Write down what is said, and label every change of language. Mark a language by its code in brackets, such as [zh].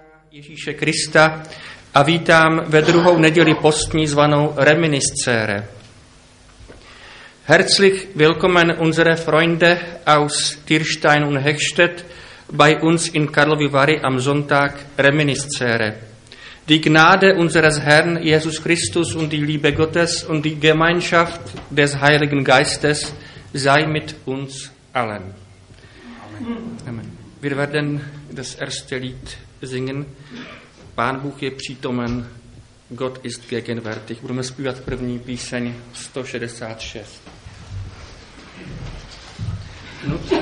[cs] Ježíše Krista a vítám ve druhou neděli postní zvanou Reminiscere. [de] Herzlich willkommen unsere Freunde aus Tirstein und Hechstedt bei uns in Karlovy Vary am Sonntag Reminiscere. Die Gnade unseres Herrn Jesus Christus und die Liebe Gottes und die Gemeinschaft des Heiligen Geistes sei mit uns allen. Amen. Wir werden das erste Lied singen. [cs] Pán Bůh je přítomen, [de] Gott ist gegenwärtig. [cs] Budeme zpívat první píseň 166. No.